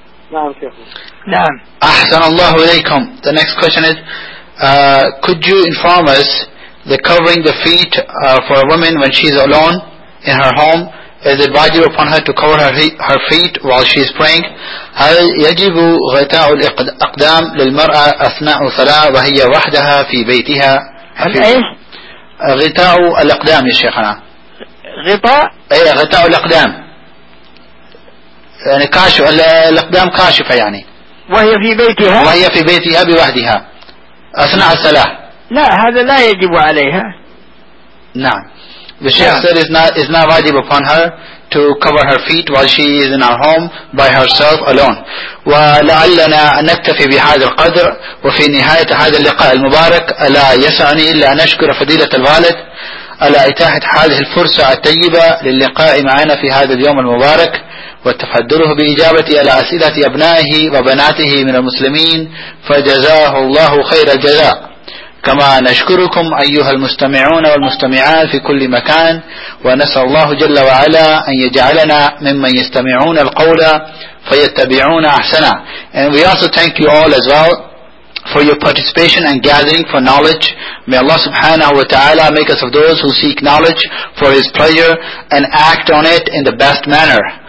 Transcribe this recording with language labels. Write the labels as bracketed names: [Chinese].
[Arabic] Naam, Shaykh. Naam. Ahsan Allahu alaykum. [English] The next question is, could you inform us that covering the feet for a woman when she is alone in her home, is it wajib upon her to cover her feet while she is praying? [Arabic] هل يجب غطاء الأقدام للمرأة أثناء الصلاة وهي وحدها في بيتها؟ هل غطاء الأقدام يا شيخنا غطاء؟ اي غطاء الأقدام يعني كاشف الأقدام كاشفة يعني وهي في بيتها؟ وهي في بيتها بوحدها أثناء الصلاة لا هذا لا يجب عليها [English] نعم The Shaykh said it's not wajib upon her to cover her feet while she is in our home by herself alone. [Arabic] ولعلنا نكتفي بهذا القدر وفي نهاية هذا اللقاء المبارك ألا يسعني إلا أن أشكر فضيلة الوالد على إتاحة هذه الفرصة الطيبة للقاء معنا في هذا اليوم المبارك وتفضله بإجابة على أسئلة أبنائه وبناته من المسلمين فجزاه الله خير الجزاء كما نشكركم أيها المستمعون والمستمعات في كل مكان ونسأل الله جل وعلا أن يجعلنا ممن يستمعون القول فيتبعون أحسنا. [English] And we also thank you all as well for your participation and gathering for knowledge. May Allah subhanahu wa ta'ala make us of those who seek knowledge for His pleasure and act on it in the best manner.